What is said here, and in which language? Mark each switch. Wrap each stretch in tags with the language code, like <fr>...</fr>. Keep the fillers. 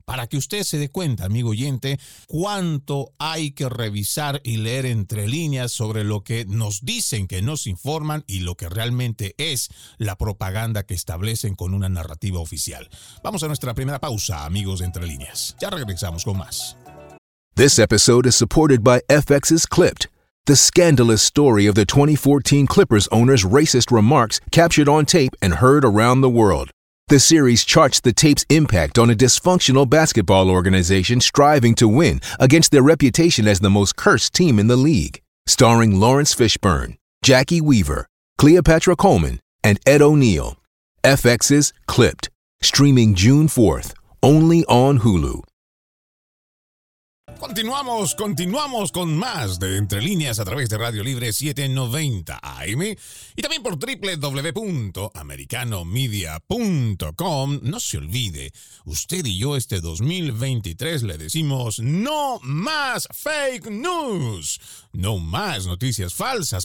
<es>Para que usted se dé cuenta, amigo oyente, cuánto hay que revisar y leer entre líneas sobre lo que nos dicen que nos informan y lo que realmente es la propaganda que establecen con una narrativa oficial. Vamos a nuestra primera pausa, amigos de entre líneas. Ya regresamos con más.</es> <en>This episode is supported by FX's Clipped. The scandalous story of the 2014 Clippers owner's racist remarks captured on tape and heard around the world. The series charts the tape's impact on a dysfunctional basketball organization striving to win against their reputation as the most cursed team in the league. Starring Lawrence Fishburne, Jackie Weaver, Cleopatra Coleman, and Ed O'Neill. FX's Clipped. Streaming June 4th, only on Hulu.</en> <es>Continuamos, continuamos con más de Entre Líneas a través de Radio Libre 790 AM y también por www.americanomedia.com. No se olvide, usted y yo este 2023 le decimos no más fake news, no más noticias falsas.</es>